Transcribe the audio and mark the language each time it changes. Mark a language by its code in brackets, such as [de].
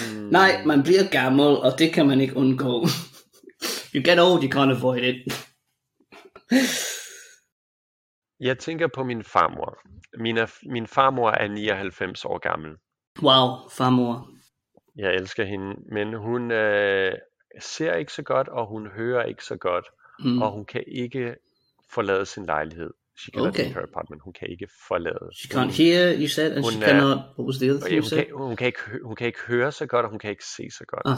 [da] Nej, man bliver gammel, og det kan man ikke undgå. [en] You get old, you can't avoid it. [da] Jeg tænker på min farmor. Min farmor er 99 år gammel. Wow, farmor. Jeg elsker hende, men hun ser ikke så godt, og hun hører ikke så godt, og hun kan ikke forlade sin lejlighed. [en] She cannot leave her apartment. [da] Hun kan ikke forlade. [en] She can't hear, you said, and she cannot... What was the other thing you said? [da] Hun kan ikke høre så godt, og hun kan ikke se så godt.